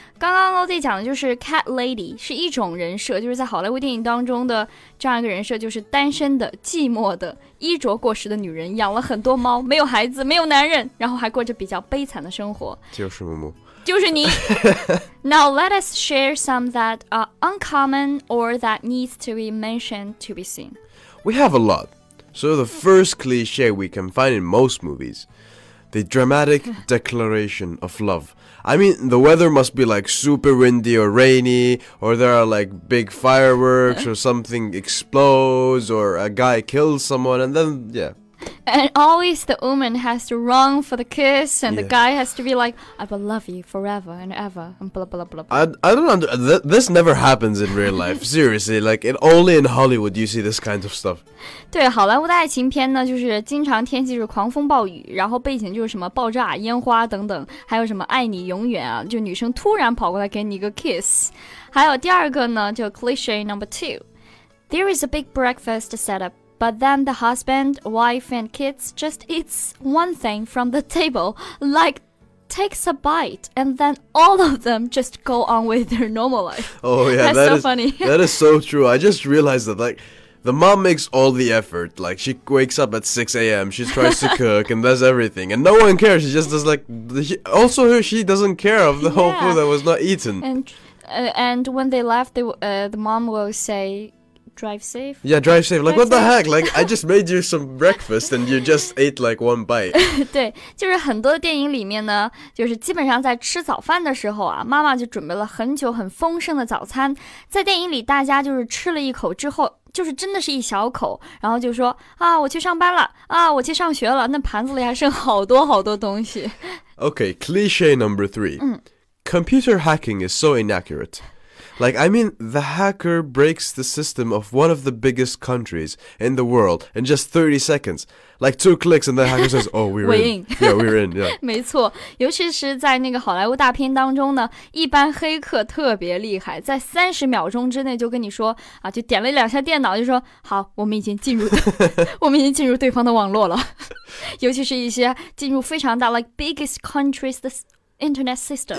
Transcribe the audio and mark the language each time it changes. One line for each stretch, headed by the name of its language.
Chinese: 刚刚我在讲的就是 cat lady 是一种人设，就是在好莱坞电影当中的这样一个人设，就是单身的、寂寞的、衣着过时的女人，养了很多猫，没有孩子，没有男人，然后还过着比较悲惨的生活。就是木木，就是你。
English: Now let us share some that are uncommon or that needs to be mentioned to be seen. We have a lot. So the first cliche we can find in most moviesThe dramatic declaration of love. I mean, the weather must be like super windy or rainy, or there are like big fireworks, or something explodes, or a guy kills someone, and then, yeah. And always the woman has to run for the kiss, and the guy has to be like, I will love you forever and ever, and blah, blah, blah, blah. I don't understand. This never happens in real life, seriously. Like, only in Hollywood you see this kind of stuff.
Chinese: 对，好莱坞的爱情片呢，就是经常天气是狂风暴雨，然后背景就是什么爆炸、烟花等等，还有什么爱你永远啊，就女生突然跑过来给你一个 kiss. 还有第二个呢，就
English: cliche number two. There is a big breakfast setup. But then the husband, wife, and kids just eats one thing from the table, like takes a bite, and then all of them just go on with their normal life. Oh, yeah. That's that so funny. That is so true. I just realized that, like, the mom makes all the effort. Like, she wakes up at 6 a.m., she tries to cook, and does everything. And no one cares. She just does, like, also, she doesn't care of the whole food that was not eaten. And when they left, the mom will say... Drive safe. Yeah, drive safe. Like, drive what the heck? Like, I just made you some breakfast and you just ate like one bite.
Chinese: 对，就是很多电影里面呢，就是基本上在吃早饭的时候啊，妈妈就准备了很久很丰盛的早餐。在电影里，大家就是吃了一口之后，就是真的是一小口，然后就说啊，我去上班了，啊，我去上学了，那盘子里还剩好多好多东西。
English: Okay, cliche number three. Computer hacking is so inaccurate. Like, I mean, the hacker breaks the system of one of the biggest countries in the world in just 30 seconds. Like, two clicks and the hacker says, oh, we're in. Yeah, we're in, yeah.
Chinese: 没错，尤其是在那个好莱坞大片当中呢，一般黑客特别厉害，在30秒钟之内就跟你说，啊，就点了两下电脑，就说，好，我们已经进入对方的网络了。尤其是一些进入非常大
English: like biggest countries, the internet system.